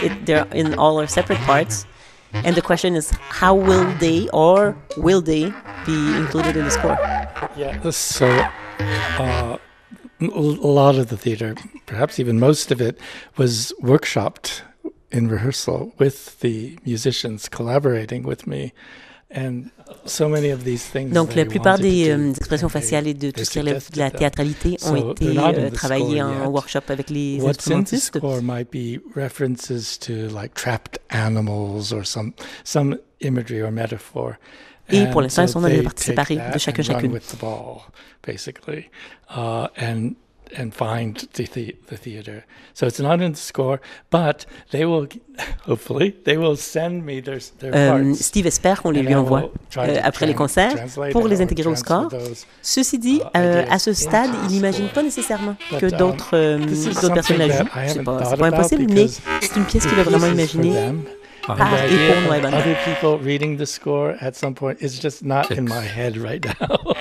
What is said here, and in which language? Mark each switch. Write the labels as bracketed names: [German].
[English] They're in all our separate parts. And the question is, how will they or will they be included in the score? Yeah, so a lot of the theater, perhaps even most of it, was workshopped in rehearsal with the musicians collaborating with me. And so many of these things. [French] Donc la plupart des expressions faciales et de tout ce qui relève de la théâtralité ont été travaillées en workshop avec les instrumentistes. [English] What's in the score might be references to like trapped animals or some imagery or metaphor. [French] Et pour l'instant, elles sont dans les parties séparées de chacune. [English] With the ball, basically, and find the theater. So it's not in the score, but they will, hopefully, they will send me their parts. [French] Steve espère qu'on les lui envoie après les concerts pour les intégrer au score. Ceci dit, à ce stade, il n'imagine pas nécessairement que d'autres personnes la jouent. C'est pas impossible, mais c'est une pièce qu'il a vraiment imaginée. [English] The idea of other people reading the score at some point is just not in my head right now.